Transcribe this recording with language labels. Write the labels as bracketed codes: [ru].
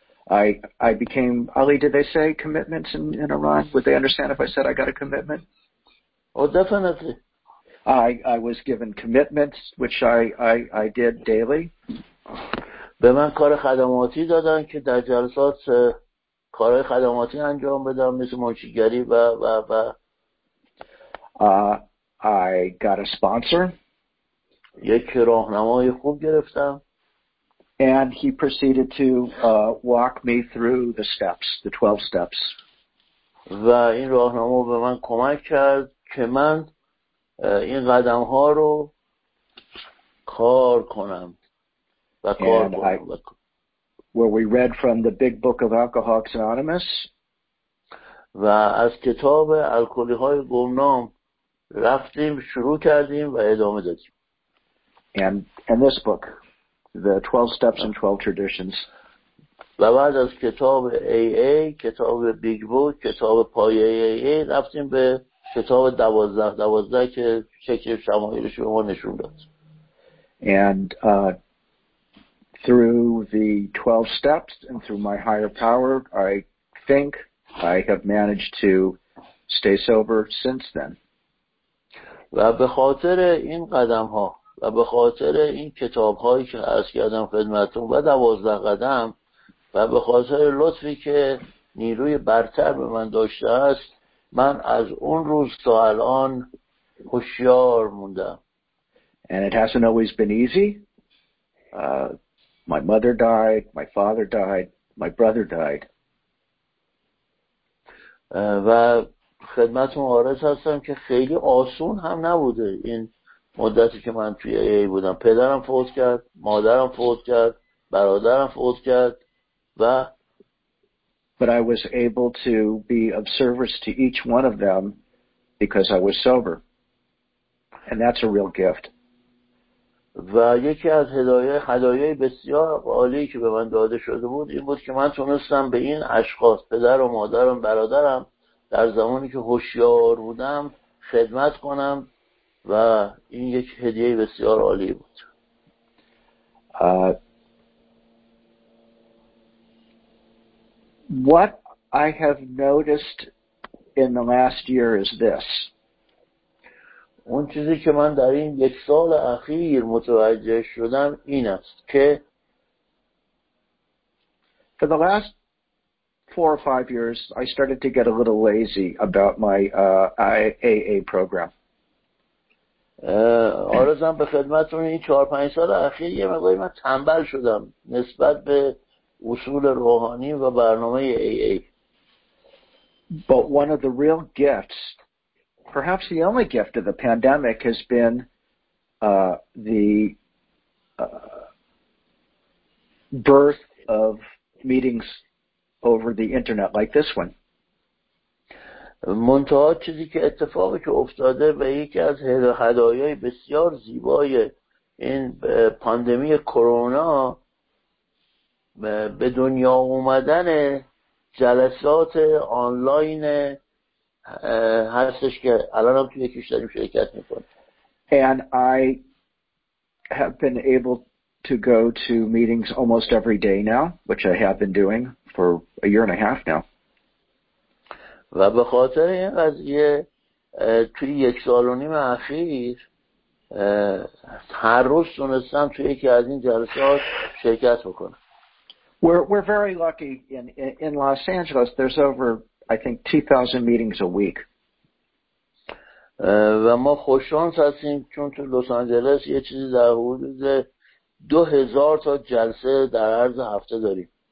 [en] I became, Ali, did they say commitments in Iran? Would they understand if I said I got a commitment? Oh, definitely. I was given commitments, which I did daily. [fa] به من کار خدماتی دادن که در جلسات کارهای خدماتی انجام بدم مثل منشیگری و و و. [en] I got a sponsor. [fa] یک راهنمای خوب گرفتم. [en] And he proceeded to walk me through the steps, the 12 steps. [fa] و این راهنما به من کمک کرد که من این قدم ها رو کار کنم و کار کنم. [en] Where we read from the big book of Alcoholics Anonymous. [fa] و از کتاب الکلی های گمنام رفتیم شروع کردیم و ادامه دادیم. [en] And this book, the 12 steps and 12 traditions. [fa] و بعد از کتاب AA, کتاب Big Book, کتاب پای AA رفتیم به کتاب دوازده که شکل شمایلش به ما نشون داد. [en] And through the 12 steps and through my higher power, I think I have managed to stay sober since then. [fa] و به خاطر این قدم ها و به خاطر این کتاب هایی که عرض کردم خدمتون و 12 قدم و به خاطر لطفی که نیروی برتر به من داشته است من از اون روز تا الان هوشیار موندم. [en] And it hasn't always been easy. My mother died, my father died, my brother died. [fa] و خدمتون عارض هستم که خیلی آسون هم نبوده این مدتی که من توی AA بودم. پدرم فوت کرد، مادرم فوت کرد، برادرم فوت کرد و [en] But I was able to be of service to each one of them because I was sober. And that's a real gift. [fa] و یکی از هدایای بسیار عالی که به من داده شده بود این بود که من تونستم به این اشخاص پدر و مادرم برادرم در زمانی که هوشیار بودم خدمت کنم و این یک هدیه بسیار عالی بود. [en] What I have noticed in the last year is this. [fa] اون چیزی که من در این یک سال اخیر متوجه شدم این است که [en] for the last 4 or 5 years I started to get a little lazy about my AA program. [fa] آرزم به خدمتتون این 4-5 سال اخیر یه مقداری من تنبل شدم نسبت به اصول روحانی و برنامه AA. [en] But one of the real gifts, perhaps the only gift of the pandemic, has been the birth of meetings over the internet like this one. [fa] منتها چیزی که اتفاقی که افتاده به یکی از هدایای بسیار زیبای این پاندمی کرونا به دنیا اومدن جلسات آنلاین هستش که الان هم توی کشوری شرکت میکنه. [en] And I have been able to go to meetings almost every day now, which I have been doing for a year and a half now. [fa] و به خاطر این قضیه توی یک سال و نیم اخیر هر روز تونستم توی یکی از این جلسات شرکت بکنم. [en] We're very lucky in Los Angeles. There's over, I think, 2,000 meetings a week. [fa] و ما خوش شانس هستیم چون تو لس آنجلس یه چیزی در حدود 2,000 تا جلسه در عرض هفته داریم.